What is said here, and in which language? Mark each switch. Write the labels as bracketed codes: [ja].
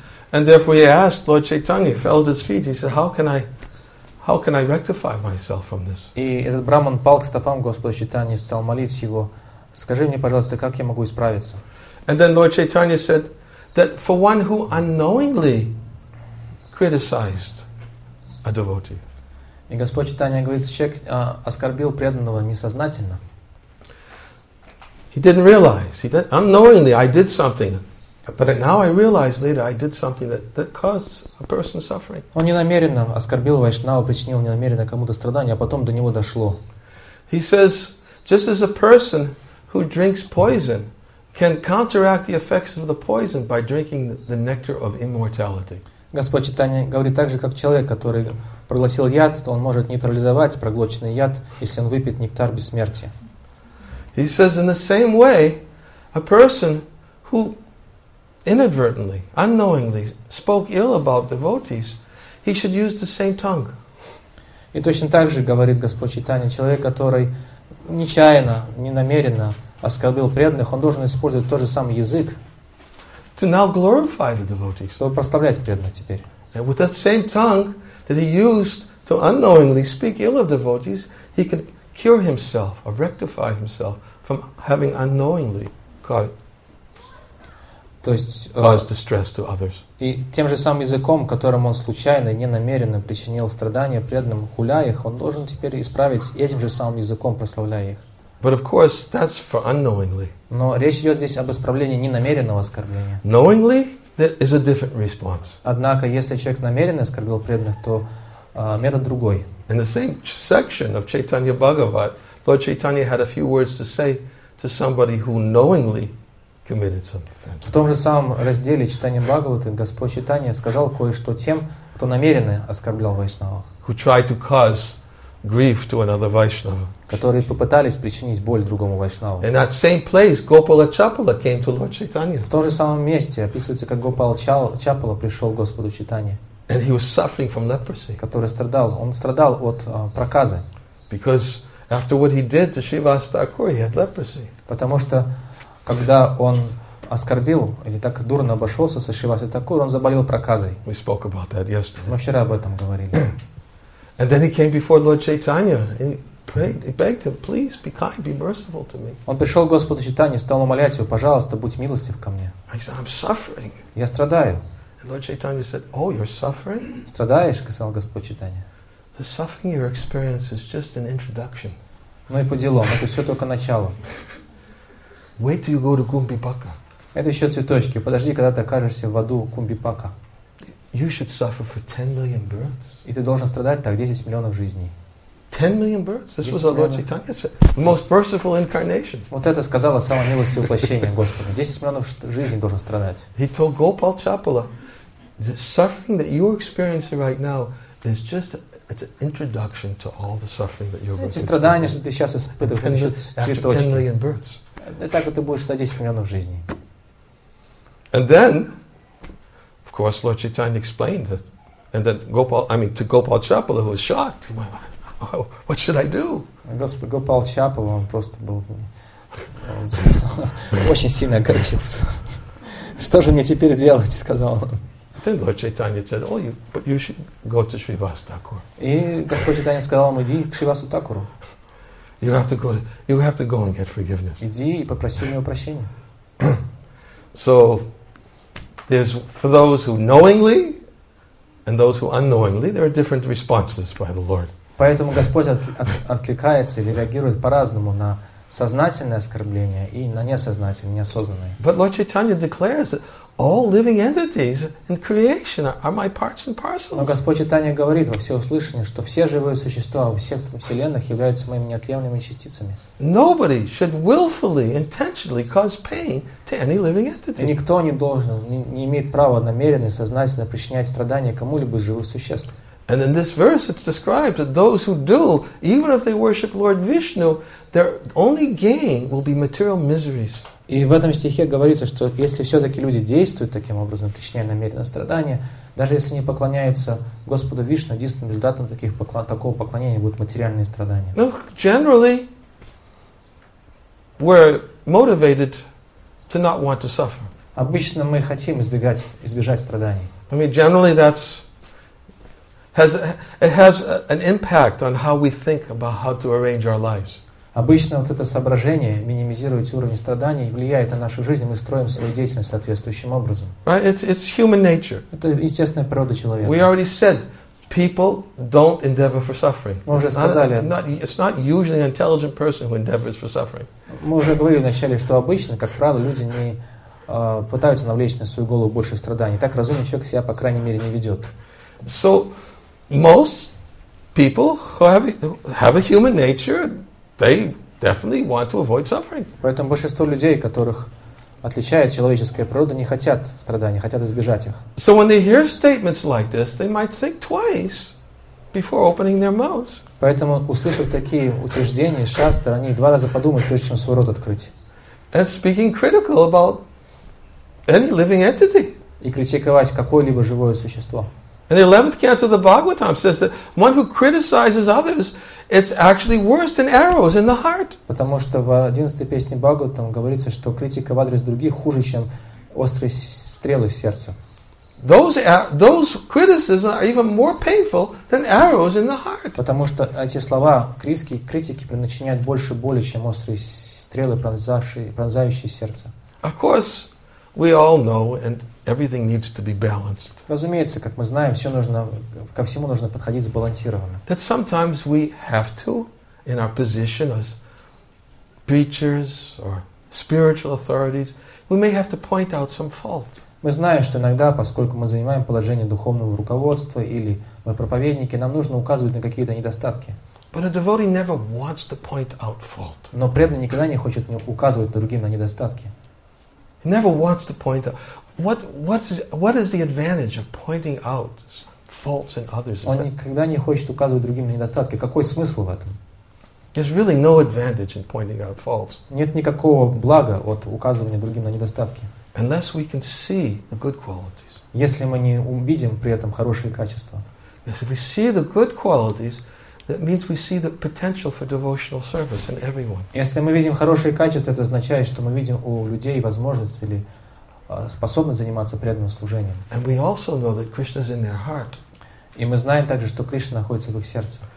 [en] And therefore he asked Lord Chaitanya, fell at his feet, he said, how can I rectify myself from this? [ru] И этот Брахман пал к стопам Господа Чайтаньи, стал молить его, скажи мне, пожалуйста, как я могу исправиться? [en] And then Lord Chaitanya said, that for one who unknowingly criticized a devotee. [ru] И Господь Чайтанья говорит, человек оскорбил преданного несознательно. [en] He didn't realize, he did, unknowingly I did something. But now I realize later I did something that caused a person suffering. [ru] Он ненамеренно оскорбил вайшнава, причинил ненамеренно кому-то страдание, а потом до него дошло. [en] He says, just as a person who drinks poison can counteract the effects of the poison by drinking the nectar of immortality. [ru] Господь Чайтанья говорит так же, как человек, который проглотил яд, то он может нейтрализовать проглоченный яд, если он выпьет нектар бессмертия. [en] He says, in the same way, a person who inadvertently, unknowingly, spoke ill about devotees, he should use the same tongue. [ru] И точно так же говорит Господь Чайтанья, человек, который нечаянно, ненамеренно оскорбил преданных, он должен использовать тот же самый язык, [en] to now glorify the devotees. [ru] Чтобы прославлять преданных теперь. [en] And with that same tongue that he used to unknowingly speak ill of devotees, he could cure himself or rectify himself from having unknowingly caused distress to others. [ru] И тем же самым языком, которым он случайно и ненамеренно причинил страдания преданным, хуляя их, он должен теперь исправить этим же самым языком, прославляя их. [en] But of course, that's for unknowingly. [ru] Но речь идет здесь об исправлении ненамеренного оскорбления. [en] Knowingly, that is a different response. [ru] Однако, если человек намеренно оскорбил преданных, то метод другой. [en] In the same section of Chaitanya Bhagavat, Lord Chaitanya had a few words to say to somebody who knowingly committed some offense. [ru] В том же самом разделе Читания Бхагаваты Господь Чайтанья сказал кое-что тем, кто намеренно оскорблял вайшнава. [en] Who tried to cause grief to another vaishnava. [ru] Которые попытались причинить боль другому вайшнаву. [en] In that same place, Gopala Chapala came to Lord Chaitanya. [ru] В том же самом месте описывается, как Гопал Чапала пришел к Господу Чайтанье. [en] And he was suffering from leprosy. [ru] Который страдал, он страдал от проказы. [en] Because after what he did to Shrivas Thakur, he had leprosy. [ru] Потому что когда он оскорбил или так дурно обошелся со Шривасой Такур, он заболел проказой. [en] We spoke about that yesterday. [ru] Мы вчера об этом говорили. [en] And then he came before Lord Chaitanya and he begged him, please be kind, be merciful to me. [ru] Он пришел к Господу Чайтанье, стал умолять его, пожалуйста, будь милостив ко мне. [en] I said, I'm suffering. [ru] Я страдаю. [en] And Lord Chaitanya said, oh, you're suffering? [ru] Страдаешь, сказал Господь Чайтанье. [en] The suffering you experience is just an introduction. [ru] Ну и по делам, это все только начало. [en] Wait till you go to Кумбипака. [ru] Это еще цветочки. Подожди, когда ты окажешься в аду Кумбипака. [en] You should suffer for 10 million births. [ru] И ты должен страдать так 10 миллионов жизней. [en] 10 million births? This was the Lord Chaitanya's most merciful incarnation. [ru] Вот это сказала самая милость воплощения Господа. 10 миллионов жизней должен страдать. [en] He told Gopal Chapala, the suffering that you're experiencing right now is just it's an introduction to all the suffering that you're going to. [ru] Эти страдания, что ты сейчас испытываешь, это цветочки. [en] 10 million births. [ru] И так ты будешь на 10 миллионов жизней. [en] And then, of course, Lord Chaitanya explained it. And then to Gopal Chapala, who was shocked. He went, oh, what should I do? [ru] Господь Гопал Чапала, он просто был очень сильно огорчился. Что же мне теперь делать, сказал он. [en] Then Lord Chaitanya said, but you should go to Shrivas Thakur. [ru] И Господь Чайтанья сказал ему, иди к Шривасу Такуру. [en] You have to go and get forgiveness. [ru] Иди и попроси у него прощения. [en] So there's for those who knowingly and those who unknowingly, there are different responses by the Lord. [ru] Поэтому Господь откликается или реагирует по-разному на сознательное оскорбление и на несознательное, неосознанное. [en] But Lord Chaitanya declares that all living entities in creation are my parts and parcels. [ru] Но Господь Чайтанья говорит во всеуслышание, что все живые существа во всех вселенных являются моими неотъемлемыми частицами. [en] Nobody should willfully, intentionally cause pain to any living entity. [ru] И никто не должен, не имеет права намеренно и сознательно причинять страдания кому-либо из живых существ. [en] And in this verse it's described that those who do, even if they worship Lord Vishnu, their only gain will be material miseries. [ru] И в этом стихе говорится, что если все-таки люди действуют таким образом, причиняя намеренно страдания, даже если не поклоняются Господу Вишну, единственным результатом таких такого поклонения будут материальные страдания. [en] Well, generally, we're motivated to not want to suffer. [ru] Обычно мы хотим избежать страданий. [en] I mean, generally that's has an impact on how we think about how to arrange our lives. [ru] Обычно вот это соображение минимизировать уровень страданий влияет на нашу жизнь, и мы строим свою деятельность соответствующим образом. [en] Right? It's human nature. [ru] Это естественная природа человека. [en] We already said people don't endeavor for suffering. [ru] Мы уже сказали. [en] It's not usually an intelligent person who endeavors for suffering. [ru] Мы уже говорили вначале, что обычно, как правило, люди не пытаются навлечь на свою голову больше страданий. Так разумный человек себя, по крайней мере, не ведет. [en] So most people who have a human nature, they definitely want to avoid suffering. [ru] Поэтому большинство людей, которых отличает человеческая природа, не хотят страданий, хотят избежать их. [en] So when they hear statements like this, they might think twice before opening their mouths. [ru] Поэтому, услышав такие утверждения, шастры, они два раза подумают, прежде чем свой рот открыть. [en] And speaking critical about any living entity. [ru] И критиковать какое-либо живое существо. [en] And the 11th canto of the Bhagavatam says that one who criticizes others, it's actually worse than arrows in the heart. [ru] Потому что в 11-й песне Бхагаватам говорится, что критика в адрес других хуже, чем острые стрелы в сердце. [en] Those criticisms are even more painful than arrows in the heart. [ru] Потому что эти слова критики причиняют больше боли, чем острые стрелы, пронзающие сердце. [en] Of course, we all know and everything needs to be balanced. [ru] Разумеется, как мы знаем, ко всему нужно подходить сбалансированно. [en] That sometimes we have to, in our position as preachers or spiritual authorities, we may have to point out some fault. [ru] Мы знаем, что иногда, поскольку мы занимаем положение духовного руководства или мы проповедники, нам нужно указывать на какие-то недостатки. [en] But a devotee never wants to point out fault. [ru] Но преданный никогда не хочет указывать другим на недостатки. [en] He never wants to point out. What is the advantage of pointing out faults in others? [ru] Он никогда не хочет указывать другим на недостатки. Какой смысл в этом? [en] There's really no advantage in pointing out faults. [ru] Нет никакого блага от указывания другим на недостатки. [en] Unless we can see the good qualities. [ru] Если мы не увидим при этом хорошие качества. [en] Yes, if we see the good qualities, that means we see the potential for devotional service in everyone. [ru] Если мы видим хорошие качества, это означает, что мы видим у людей возможности или способны заниматься преданным служением. [en] And we also know that Krishna is in their heart. [ru] И мы знаем также, что Кришна находится в их сердце.